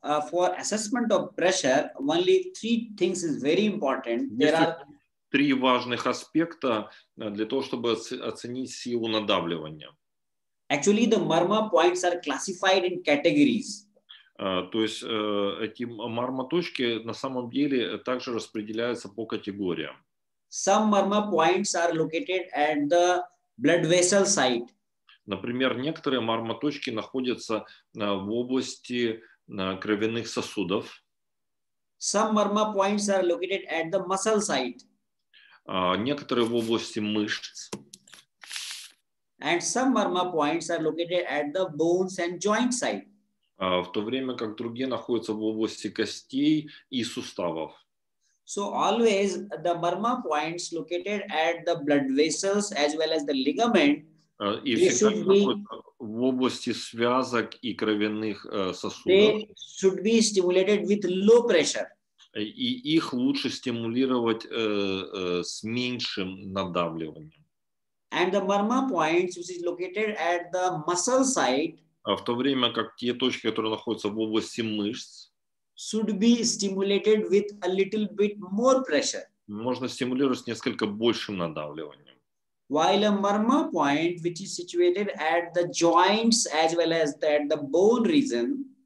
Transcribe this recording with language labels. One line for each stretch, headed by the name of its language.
English: For assessment of pressure, only three things is very important. There are
Russian: три важных аспекта для того, чтобы оценить силу надавливания.
English: Actually, the marma points are classified in categories.
Russian: То есть эти марма точки на самом деле также распределяются по категориям.
English: Some marma points are located at the blood vessel site.
Russian: Например, некоторые марма точки находятся в области кровяных сосудов.
English: Some marma points are located at the muscle site.
Russian: Некоторые в области мышц.
English: And some marma points are located at the bones and joint site.
Russian: В то время как другие находятся в области костей и суставов.
English: So always the marma points located at the blood vessels as well as the ligament.
Russian: И
English: they
Russian: всегда
English: should be,
Russian: в области связок и кровяных сосудов.
English: They should be stimulated with low pressure.
Russian: И их лучше стимулировать с меньшим надавливанием.
English: And the marma points, which is located at the muscle site,
Russian: в то время как те точки, которые находятся в области мышц,
English: should be stimulated with a little bit more pressure.
Russian: Можно стимулировать с несколько большим надавливанием.
English: While a marma point, which is situated at the joints as well as at the bone region,